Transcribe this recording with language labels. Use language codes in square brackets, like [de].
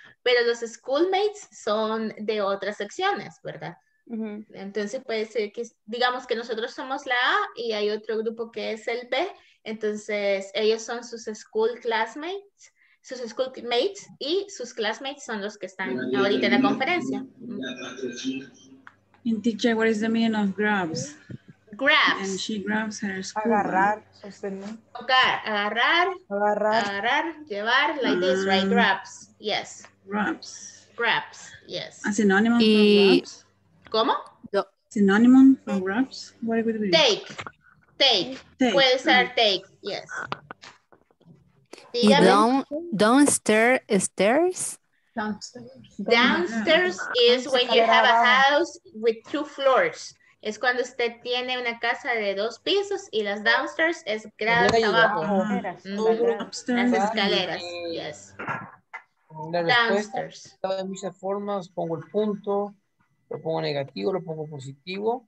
[es] Pero los schoolmates son de otras secciones, ¿verdad? Uh-huh. Entonces puede ser que, digamos que nosotros somos la A y hay otro grupo que es el B. Entonces ellos son sus school mates y sus classmates son los que están ahorita en la conferencia. [en] And teacher, what is the meaning of grabs? Grabs. And she grabs her school. [es] Agarrar. Agarrar. Llevar. [en] Like this, right? Grabs. Yes. Grabs. Grabs. Yes. [es] A sinónimo. ¿Cómo? [en] synonym for grabs? What would it be? Take. [es] Puede ser [en] take, yes. You downstairs? Downstairs is when you have a house with two floors. [es] Es cuando usted tiene una casa de dos pisos y las downstairs es gradas abajo. Las escaleras, yes. La respuesta de muchas formas, pongo el punto, lo pongo negativo, lo pongo positivo.